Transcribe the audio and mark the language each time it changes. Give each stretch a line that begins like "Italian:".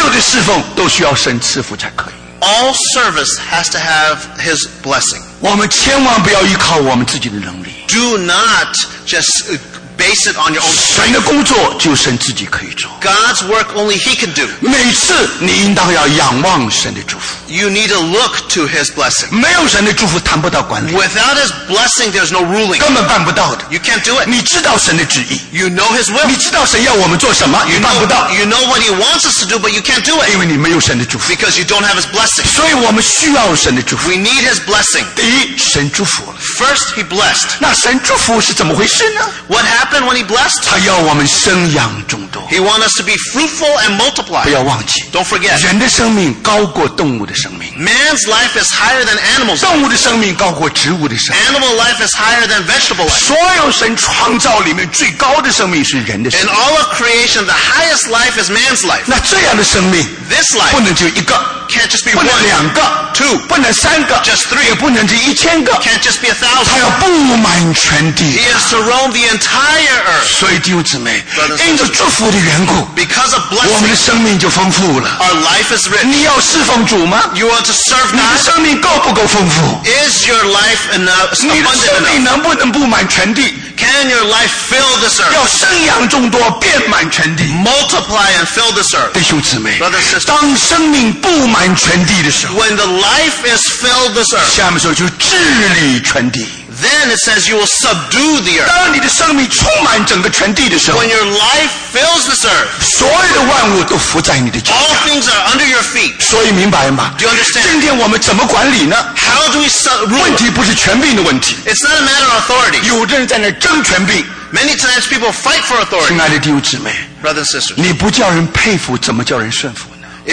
Chinese: 所有的侍奉都需要神赐福才可以。
English: All service has to have His blessing.
Chinese: 我们千万不要依靠我们自己的能力。
English: Do not just base it on your own strength.
Chinese: 神的工作就神自己可以做。
English: God's work only He can do.
Chinese: 每次你应当要仰望神的祝福。
English: You need to look to His blessing.
Chinese: 没有神的祝福谈不到管理。
English: Without His blessing, there's no ruling.
Chinese: 根本办不到的。
English: You can't do it.
Chinese: 你知道神的旨意。
English: You know His will.
Chinese: 你知道神要我们做什么, 你办不到。
English: You know what He wants us to do, but you can't do it.
Chinese: 因为你没有神的祝福。
English: Because you don't have His blessing.
Chinese: 所以我们需要神的祝福。
English: We need His blessing.
Chinese: 第一,神祝福了。
English: First, He blessed.
Chinese: 那神祝福是怎么回事呢?
English: What happened when He blessed?
Chinese: 他要我们生养众多。
English: He wants us to be fruitful and multiply.
Chinese: 不要忘记,
English: don't forget.
Chinese: 人的生命高过动物的生命。
English: Man's life is higher than animals.
Chinese: 动物的生命高过植物的生命。
English: Animal life is higher than vegetable life.
Chinese: 所有神创造里面最高的生命是人的生命。
English: In all of creation, the highest life is man's life.
Chinese: 那这样的生命,
English: this life,
Chinese: 不能只有一个,
English: can't just be
Chinese: 不能两个,
English: one,
Chinese: 不能两个,
English: two,
Chinese: 不能三个,
English: just three,
Chinese: 也不能只一千个,
English: can't just be a thousand.
Chinese: 他要布满全地。
English: He is to roam the entire earth.
Chinese: 所以弟兄姊妹, 因着祝福的缘故,
English: because of blessing,
Chinese: 我们的生命就丰富了。
English: Our life is rich.
Chinese: 你要侍奉主吗?
English: You want to serve God?
Chinese: 你的生命够不够丰富?
English: Is your life enough?
Chinese: 你的生命能不能布满全地?
English: Can your life fill this earth?
Chinese: 要生养众多, 遍满全地。
English: Multiply and fill this earth.
Chinese: 弟兄姊妹,
English: brother, sister,
Chinese: 当生命布满全地的时候,
English: when the life is filled this earth,
Chinese: 下面说就治理全地。
English: Then it says you will subdue the earth.
Chinese: 当你的生命充满整个全地的时候,
English: when your life fills this earth,
Chinese: 所有的万物都伏在你的脚下,
English: all things are under your feet.
Chinese: 所以明白吗?
English: Do you understand?
Chinese: 今天我们怎么管理呢?
English: How do we rule?
Chinese: 问题不是权柄的问题。
English: It's not a matter of authority.
Chinese: 有的人在那争权柄。
English: Many times people fight for authority.
Chinese: 亲爱的弟兄姊妹,
English: brothers and sisters,
Chinese: 你不叫人佩服, 怎么叫人顺服呢?